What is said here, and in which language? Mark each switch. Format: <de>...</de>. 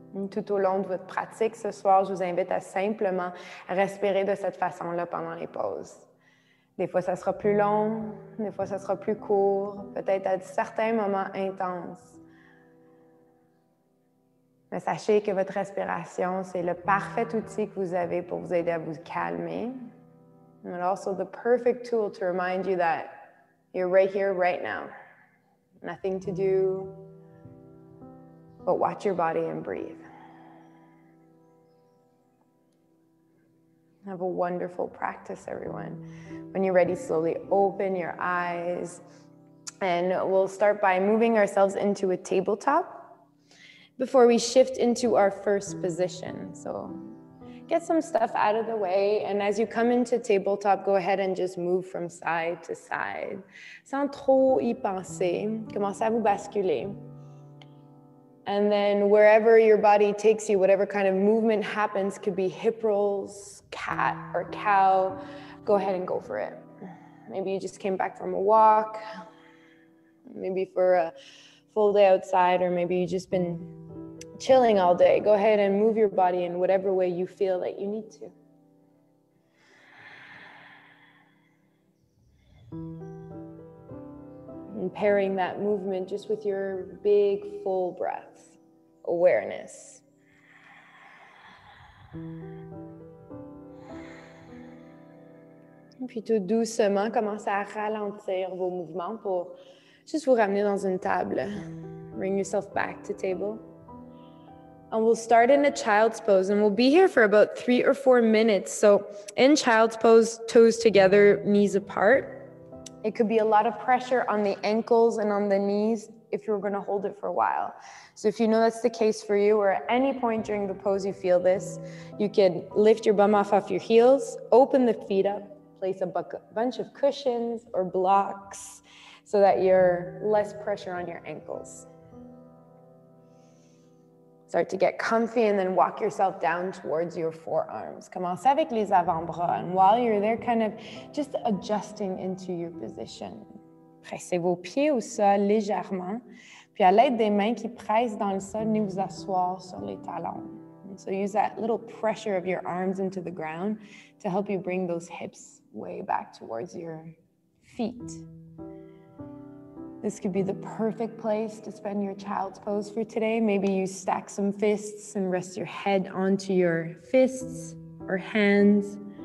<fr>Tout au long de votre pratique ce soir, je vous invite à simplement respirer de cette façon-là pendant les pauses. Des fois, ça sera plus long, des fois, ça sera plus court, peut-être à certains moments intenses. Mais sachez que votre respiration, c'est le parfait outil que vous avez pour vous aider à vous calmer.</fr> <en>And also the perfect tool to remind you that you're right here, right now. Nothing to do but watch your body and breathe. Have a wonderful practice, everyone. When you're ready, slowly open your eyes. And we'll start by moving ourselves into a tabletop before we shift into our first position. So get some stuff out of the way. And as you come into tabletop, go ahead and just move from side to side.</en> <fr>Sans trop y penser, commencez à vous basculer.</fr> <en>And then wherever your body takes you, whatever kind of movement happens, could be hip rolls, cat or cow, go ahead and go for it. Maybe you just came back from a walk, maybe for a full day outside, or maybe you've just been chilling all day. Go ahead and move your body in whatever way you feel that you need to. And pairing that movement just with your big full breath awareness.</en> <fr>Puis tout doucement, commencez à ralentir vos mouvements pour juste vous ramener dans une table.</fr> <en>Bring yourself back to table. And we'll start in a child's pose, and we'll be here for about 3 or 4 minutes. So in child's pose, toes together, knees apart. It could be a lot of pressure on the ankles and on the knees if you're going to hold it for a while. So if you know that's the case for you, or at any point during the pose you feel this, you can lift your bum off your heels, open the feet up, place a bunch of cushions or blocks so that you're less pressure on your ankles. Start to get comfy and then walk yourself down towards your forearms.</en> <fr>Commence avec les avant-bras.</fr> <en>And while you're there, kind of just adjusting into your position.</en> <fr>Pressez vos pieds au sol légèrement. Puis à l'aide des mains qui pressent dans le sol, venez vous asseoir sur les talons.</fr> <en>And so use that little pressure of your arms into the ground to help you bring those hips way back towards your feet. This could be the perfect place to spend your child's pose for today. Maybe you stack some fists and rest your head onto your fists or hands.</en>